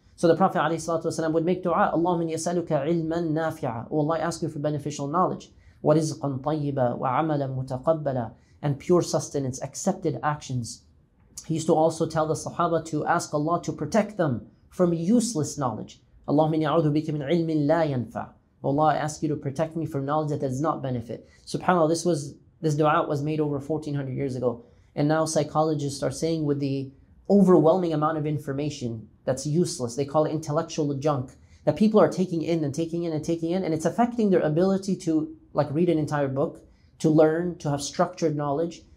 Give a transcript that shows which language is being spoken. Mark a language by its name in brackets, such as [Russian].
[English] So the Prophet ﷺ would make dua, [Arabic] اللهم يسألك علما نافعا. [English] Oh Allah, I ask you for beneficial knowledge. What is [Arabic] رزقا طيبا وعملا متقبلا, [English] and pure sustenance, accepted actions. He used to also tell the Sahaba to ask Allah to protect them from useless knowledge. [Arabic] اللهم إني أعوذ بك من علم لا ينفع. [English] Oh Allah, I ask you to protect me from knowledge that does not benefit. SubhanAllah, this dua was made over 1400 years ago. And now psychologists are saying with the overwhelming amount of information that's useless, they call it intellectual junk, that people are taking in and taking in and taking in, and it's affecting their ability to like read an entire book, to learn, to have structured knowledge.